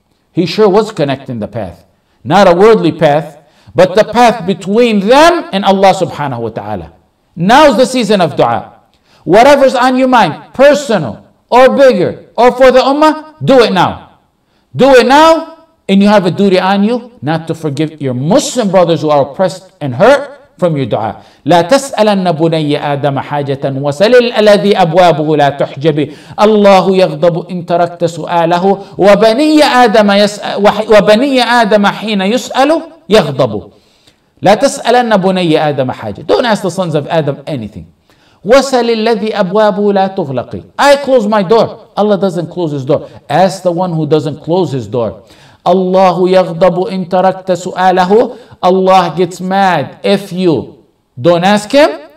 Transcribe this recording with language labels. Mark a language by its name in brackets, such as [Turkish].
[English] He sure was connecting the path. Not a worldly path, but the path between them and Allah subhanahu wa ta'ala. Now's the season of dua. Whatever's on your mind, personal or bigger or for the ummah, do it now. Do it now, and you have a duty on you not to forgive your Muslim brothers who are oppressed and hurt from your dua. [Arabic] لا تسألن بني آدم حاجة وسل الذي أبوابه لا تحجبي الله يغضب إن تركت سؤاله وبني آدم يسأل وبني آدم حين يسأل يغضب لا تسألن بني آدم حاجة. [English] Don't ask the sons of Adam anything. [Arabic] وسل الذي أبوابه لا تغلقي. [English] I close my door. Allah doesn't close his door. Ask the one who doesn't close his door. [Arabic] Allah يغضب إن تركت سؤاله. [English] Allah gets mad if you don't ask him.